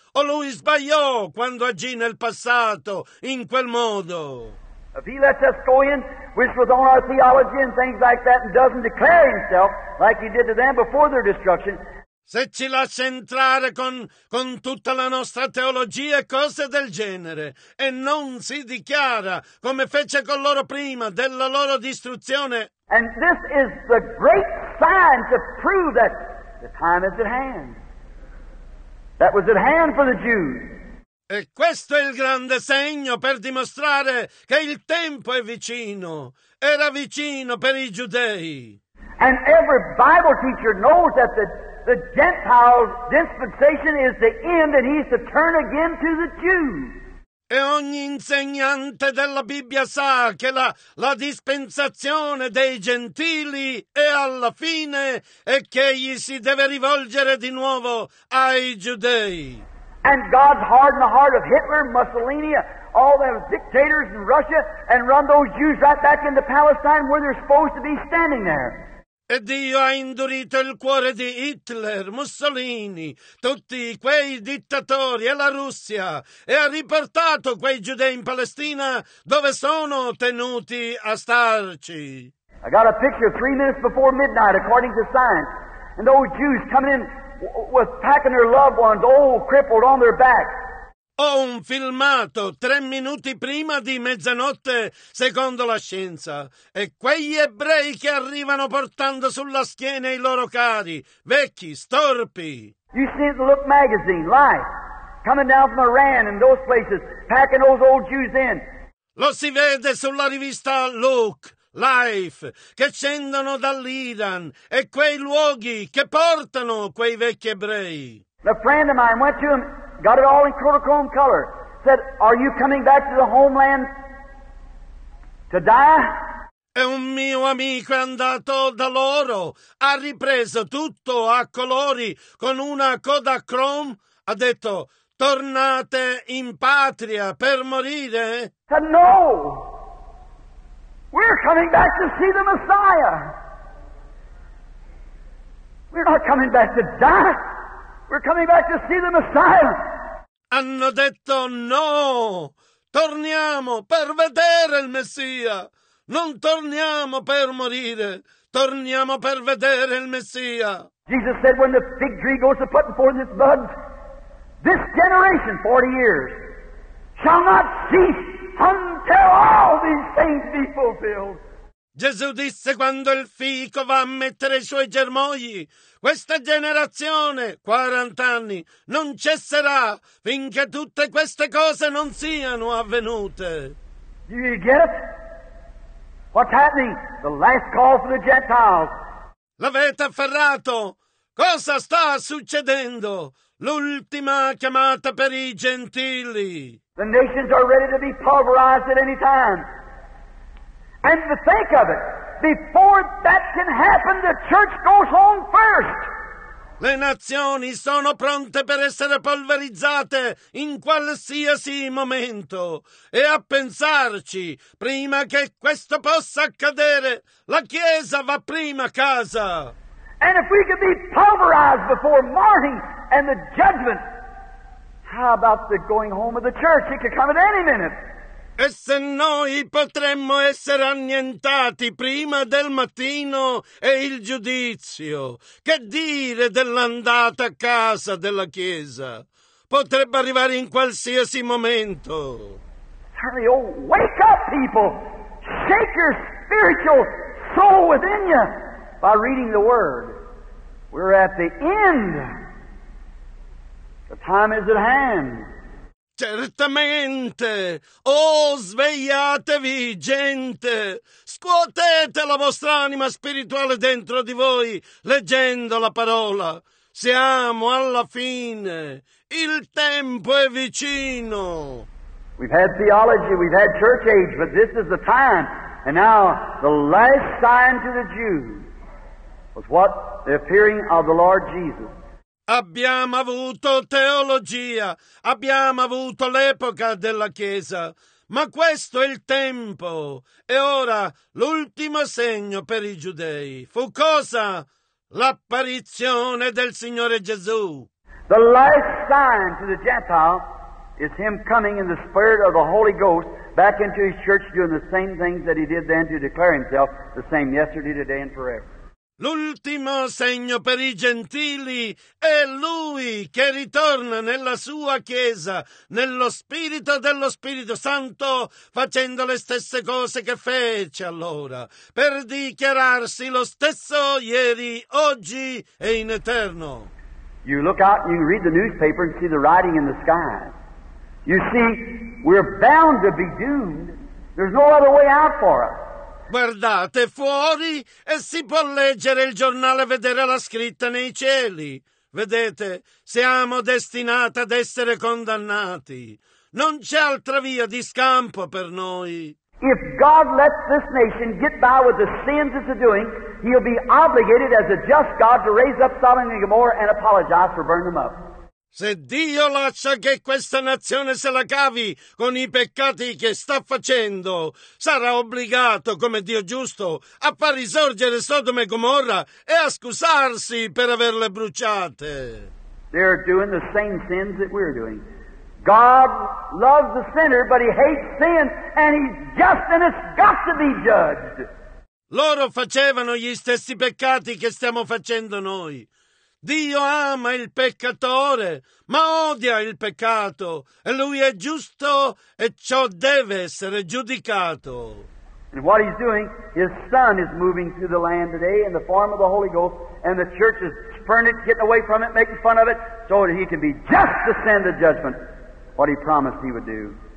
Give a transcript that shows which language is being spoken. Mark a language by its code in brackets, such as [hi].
[it] O lui sbagliò quando agì nel passato in quel modo. [en] If he lets us go in, which was on our theology and things like that, and doesn't declare himself like he did to them before their destruction. [it] Se ci lascia entrare con tutta la nostra teologia e cose del genere e non si dichiara come fece con loro prima della loro distruzione. [en] And this is the great sign to prove that the time is at hand. that was at hand for the Jews. [it] E questo è il grande segno per dimostrare che il tempo è vicino. Era vicino per i giudei. [en] And every Bible teacher knows that the Gentile dispensation is the end and he's to turn again to the Jews. [it] E ogni insegnante della Bibbia sa che la dispensazione dei gentili è alla fine e che egli si deve rivolgere di nuovo ai giudei. [en] And God's hardened the heart of Hitler, Mussolini, all those dictators in Russia, and run those Jews right back into Palestine where they're supposed to be standing there. [it] E Dio ha indurito il cuore di Hitler, Mussolini, tutti quei dittatori e la Russia, e ha riportato quei giudei in Palestina dove sono tenuti a starci. [en] I got a picture 3 minutes before midnight, according to science, and those Jews coming in with packing their loved ones, old, crippled, on their back. [it] Ho un filmato 3 minuti prima di mezzanotte, secondo la scienza, e quegli ebrei che arrivano portando sulla schiena i loro cari, vecchi, storpi. [en] You see it in Look magazine, Life, coming down from Iran and those places, packing those old Jews in. [it] Lo si vede sulla rivista Look, Life, che scendono dall'Iran e quei luoghi che portano quei vecchi ebrei. [en] A friend of mine went to him. Got it all in chrome color. Said, "Are you coming back to the homeland to die?" [it] E un mio amico è andato da loro, ha ripreso tutto a colori con una coda chrome. Ha detto, "Tornate in patria per morire?" [en] Said, "No. We're coming back to see the Messiah. We're not coming back to die. We're coming back to see the Messiah." [it] Hanno detto no, torniamo per vedere il Messia, non torniamo per morire, torniamo per vedere il Messia. [en] Jesus said when the fig tree goes to putting forth its buds, this generation, 40 years, shall not cease until all these things be fulfilled. [it] Gesù disse quando il fico va a mettere i suoi germogli, questa generazione, 40 anni, non cesserà finché tutte queste cose non siano avvenute. [en] Do you get it? What's happening? The last call for the Gentiles. [it] L'avete afferrato? Cosa sta succedendo? L'ultima chiamata per i gentili. [en] The nations are ready to be pulverized at any time. And to think of it, before that can happen, the church goes home first. [it] Le nazioni sono pronte per essere polverizzate in qualsiasi momento. E a pensarci, prima che questo possa accadere, la Chiesa va prima a casa. [en] And if we could be pulverized before morning and the judgment, how about the going home of the church? It could come at any minute. [it] E se noi potremmo essere annientati prima del mattino e il giudizio, che dire dell'andata a casa della Chiesa? Potrebbe arrivare in qualsiasi momento. [en] Hurry, oh, wake up, people! Shake your spiritual soul within you by reading the Word. We're at the end. The time is at hand. [it] Certamente, oh svegliatevi, gente, scuotete la vostra anima spirituale dentro di voi, leggendo la parola. Siamo alla fine, il tempo è vicino. [en] We've had theology, we've had church age, but this is the time. And now, the last sign to the Jews was what? The appearing of the Lord Jesus. [it] Abbiamo avuto teologia, abbiamo avuto l'epoca della Chiesa, ma questo è il tempo. E ora l'ultimo segno per i giudei fu cosa? L'apparizione del Signore Gesù. [en] The last sign to the Gentile is him coming in the spirit of the Holy Ghost back into his church doing the same things that he did then to declare himself the same yesterday, today and forever. [it] L'ultimo segno per i gentili è Lui che ritorna nella sua Chiesa, nello Spirito dello Spirito Santo, facendo le stesse cose che fece allora, per dichiararsi lo stesso ieri, oggi e in eterno. [en] You look out and you can read the newspaper and see the writing in the sky. You see, we're bound to be doomed. There's no other way out for us. [it] Guardate fuori e si può leggere il giornale e vedere la scritta nei cieli. Vedete, siamo destinati ad essere condannati. Non c'è altra via di scampo per noi. [en] If God lets this nation get by with the sins it's doing, he'll be obligated as a just God to raise up Sodom and Gomorrah and apologize for burning them up. [it] Se Dio lascia che questa nazione se la cavi con i peccati che sta facendo, sarà obbligato, come Dio giusto, a far risorgere Sodoma e Gomorra e a scusarsi per averle bruciate. [en] They're doing the same sins that we're doing. God loves the sinner, but he hates sin, and he's just and it's got to be judged. [it] Loro facevano gli stessi peccati che stiamo facendo noi. Dio ama il peccatore, ma odia il peccato, e lui è giusto, e ciò deve essere giudicato. [en] And what he's doing, his son is moving through the land today in the form of the Holy Ghost, and the church is spurning it, getting away from it, making fun of it, so that he can be just to send the judgment, what he promised he would do.